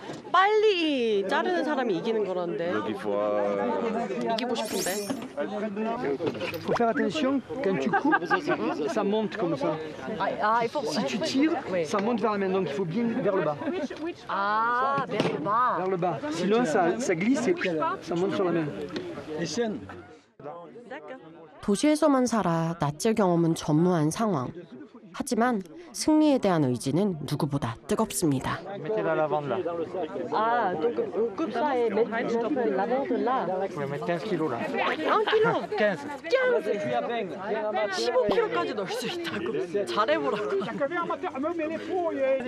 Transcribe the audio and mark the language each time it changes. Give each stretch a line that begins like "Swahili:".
Korean: 빨리 자르는 사람이 이기는 거라는데. 이기고 싶은데.
French: Faut faire attention quand tu coupes, ça monte comme ça. Si tu tires, ça monte vers la main, donc il faut bien vers le bas. Ah, vers le bas. Vers le bas. Sinon, ça glisse et ça monte sur la main. Les chaînes.
Korean: 도시에서만 살아 낯질 경험은 전무한 상황. 하지만 승리에 대한 의지는 누구보다 뜨겁습니다. 15kg까지 넣을 수 있다고 잘해보라고.